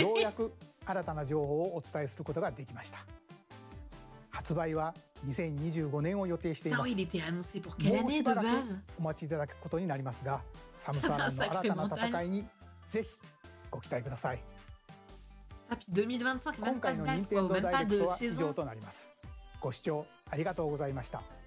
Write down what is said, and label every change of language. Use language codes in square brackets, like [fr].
[ja] ようやく新たな情報をお伝えすることができました。発売は2025年を予定しています。 [fr] Il était annoncé pour quelle année de base ? [ja] お待ちいただくことになりますが、サムスアランの新たな戦いにぜひご期待ください。 [fr] Papi 2025, même pas de date, même pas de saison. [ja] となります。ご視聴ありがとうございました。